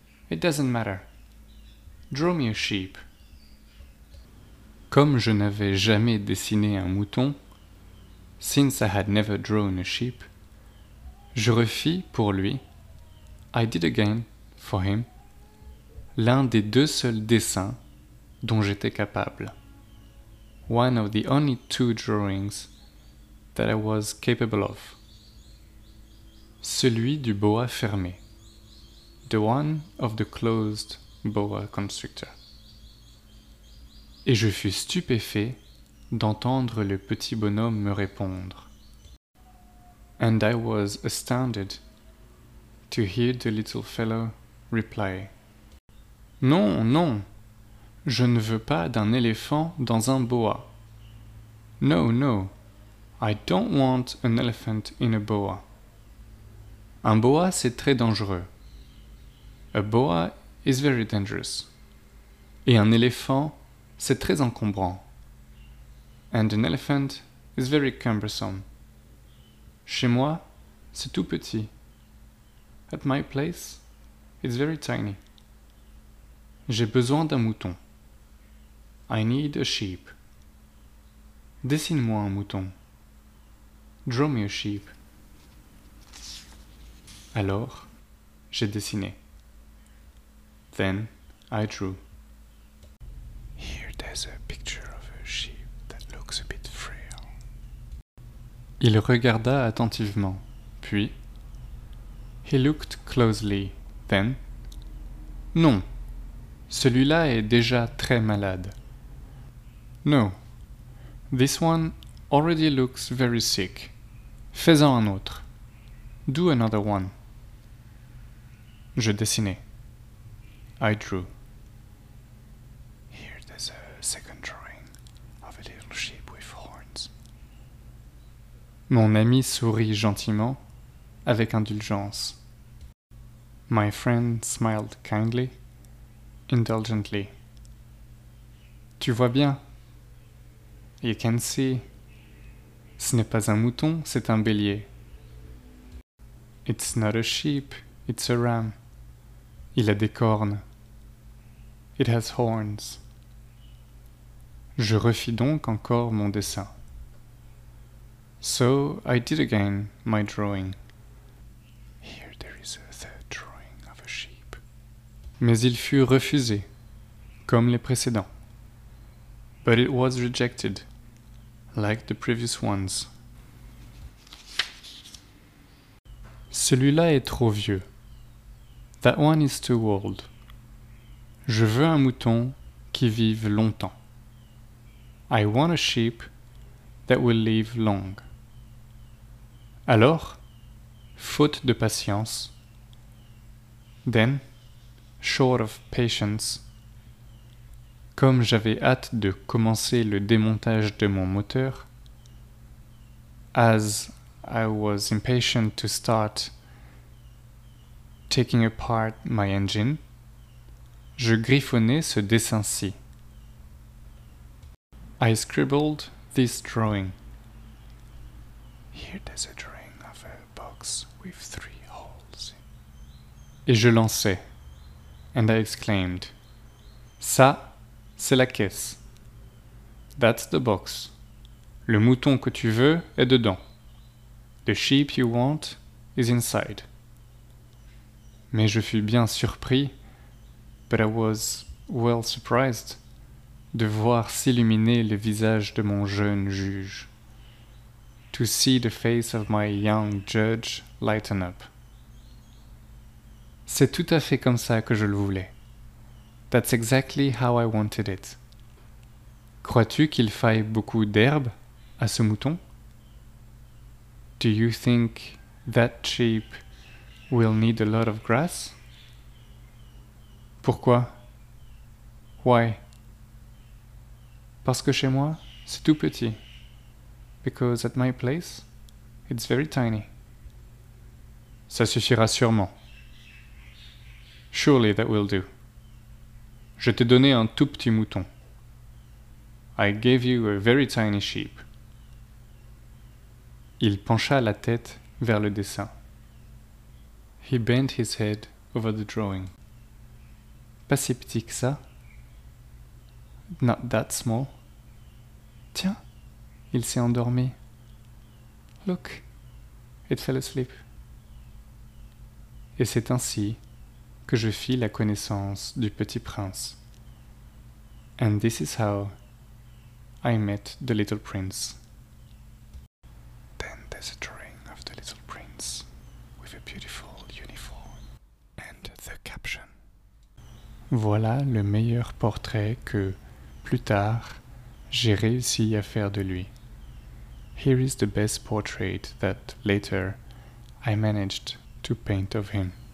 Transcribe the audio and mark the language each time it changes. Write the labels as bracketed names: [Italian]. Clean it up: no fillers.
[English] It doesn't matter. Draw me a sheep. [French] Comme je n'avais jamais dessiné un mouton, [English] since I had never drawn a sheep, [French] je refis pour lui, [English] I did again for him, [French] l'un des deux seuls dessins dont j'étais capable. [English] One of the only two drawings that I was capable of. [French] Celui du boa fermé. [English] The one of the closed boa constrictor. [French] Et je fus stupéfait d'entendre le petit bonhomme me répondre. [English] And I was astounded to hear the little fellow reply. [French] Non, non, je ne veux pas d'un éléphant dans un boa. [English] No, no, I don't want an elephant in a boa. [French] Un boa, c'est très dangereux. [English] A boa is very dangerous. [French] Et un éléphant, c'est très encombrant. [English] And an elephant is very cumbersome. [French] Chez moi, c'est tout petit. [English] At my place, it's very tiny. [French] J'ai besoin d'un mouton. [English] I need a sheep. [French] Dessine-moi un mouton. [English] Draw me a sheep. [French] Alors, j'ai dessiné. [English] Then, I drew. Here there's a picture of a sheep that looks a bit frail. [French] Il regarda attentivement, puis... [English] He looked closely, then... [French] Non, celui-là est déjà très malade. [English] No, this one already looks very sick. [French] Fais-en un autre. [English] Do another one. [French] Je dessinais. [English] I drew. Here there's a second drawing of a little sheep with horns. [French] Mon ami sourit gentiment, avec indulgence. [English] My friend smiled kindly, indulgently. [French] Tu vois bien. [English] You can see. [French] Ce n'est pas un mouton, c'est un bélier. [English] It's not a sheep, it's a ram. [French] Il a des cornes. [English] It has horns. [French] Je refis donc encore mon dessin. [English] So I did again my drawing. Here there is a third drawing of a sheep. [French] Mais il fut refusé, comme les précédents. [English] But it was rejected, like the previous ones. [French] Celui-là est trop vieux. [English] That one is too old. [French] Je veux un mouton qui vive longtemps. [English] I want a sheep that will live long. [French] Alors, faute de patience, [English] then, short of patience, [French] comme j'avais hâte de commencer le démontage de mon moteur, [English] as I was impatient to start taking apart my engine, [French] je griffonnais ce dessin-ci. [English] I scribbled this drawing. Here there's a drawing of a box with three holes. [French] Et je lançai. [English] And I exclaimed. [French] Ça, c'est la caisse. [English] That's the box. [French] Le mouton que tu veux est dedans. [English] The sheep you want is inside. [French] Mais je fus bien surpris, [English] but I was well surprised, [French] de voir s'illuminer le visage de mon jeune juge. [English] To see the face of my young judge lighten up. [French] C'est tout à fait comme ça que je le voulais. [English] That's exactly how I wanted it. [French] Crois-tu qu'il faille beaucoup d'herbe à ce mouton? [English] Do you think that sheep will need a lot of grass? [French] Pourquoi? [English] Why? [French] Parce que chez moi, c'est tout petit. [English] Because at my place, it's very tiny. [French] Ça suffira sûrement. [English] Surely that will do. [French] Je t'ai donné un tout petit mouton. [English] I gave you a very tiny sheep. [French] Il pencha la tête vers le dessin. [English] He bent his head over the drawing. [French] Pas si petit que ça. [English] Not that small. [French] Tiens, il s'est endormi. [English] Look, it fell asleep. [French] Et c'est ainsi que je fis la connaissance du petit prince. [English] And this is how I met the little prince. Then there's a drawing of the little prince with a beautiful uniform and the caption. [French] Voilà le meilleur portrait que, plus tard, j'ai réussi à faire de lui. [English] Here is the best portrait that later I managed to paint of him.